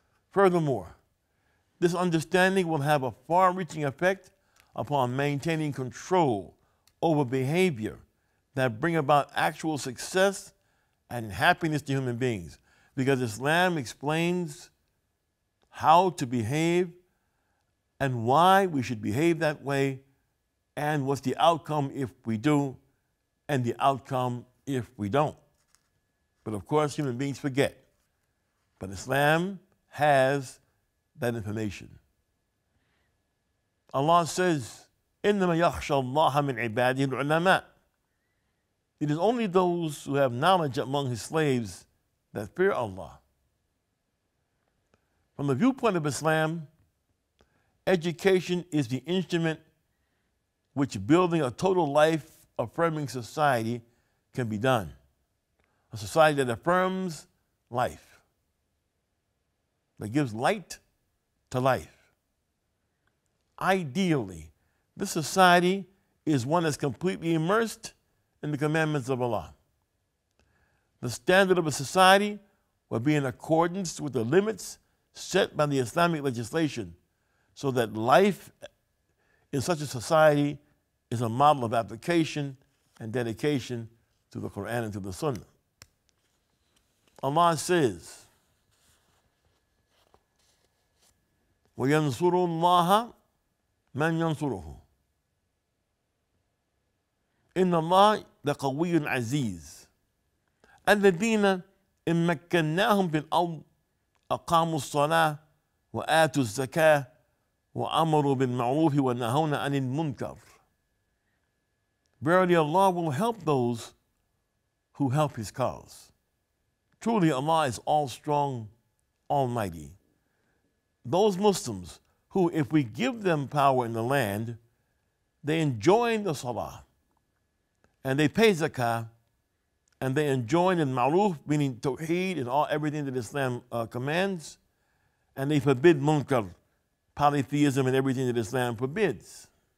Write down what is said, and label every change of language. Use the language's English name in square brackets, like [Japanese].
[English] Furthermore, this understanding will have a far-reaching effect upon maintaining control over behavior that bring about actual success and happiness to human beings, because Islam explains how to behave and why we should behave that way, and what's the outcome if we do and the outcome if we don't. But of course, human beings forget. But Islam has that information. [Arabic] Allah says, إِنَّمَا يَخْشَى اللَّهَ مِنْ عِبَادِهِ الْعُلَمَاءِ. [English] It is only those who have knowledge among his slaves that fear Allah. From the viewpoint of Islam, education is the instrument which building a total life-affirming society can be done. A society that affirms life, that gives light to life. Ideally, this society is one that's completely immersed in the commandments of Allah. The standard of a society will be in accordance with the limits set by the Islamic legislation, so that life in such a society is a model of application and dedication to the Quran and to the Sunnah. [Arabic] Allah says, وَيَنْصُرُ اللَّهَ مَنْ يَنْصُرُهُ إِنَّ اللَّهَ لَقَوِيٌّ عَزِيزٌ. الذين إن مكناهم في الأرض أقاموا الصلاة وآتوا الزكاة وأمروا بالمعروف ونهونا عن المنكر. [English] Verily Allah will help those who help his cause. Truly Allah is all strong, almighty. Those Muslims who, if we give them power in the land, they enjoin the salah, and they pay zakah, and they enjoin in ma'ruf, meaning tawheed, and all everything that Islam commands, and they forbid munkar, polytheism, and everything that Islam forbids.